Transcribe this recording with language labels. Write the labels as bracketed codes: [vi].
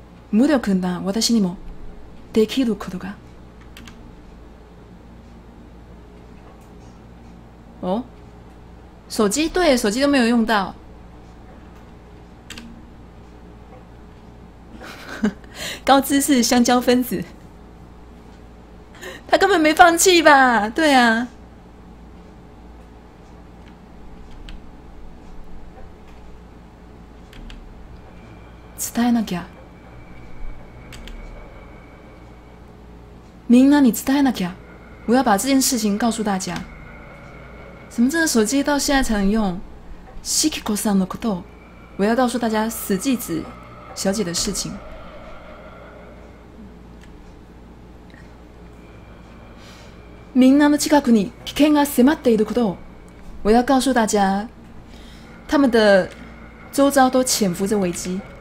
[ja] 無力な私にもできることが。 [zh] 哦，手机，对，手机都没有用到。高知识香蕉分子。他根本没放弃吧？对啊， [ja] 伝えなきゃ。みんなに伝えなきゃ。 [zh] 我要把这件事情告诉大家。怎么这个手机到现在才能用？ [ja] シキコさんのこと。 [zh] 我要告诉大家死寂子小姐的事情。 [ja] みんなの近くに危険が迫っていることを。 [zh] 我要告诉大家，他们的周遭都潜伏着危机。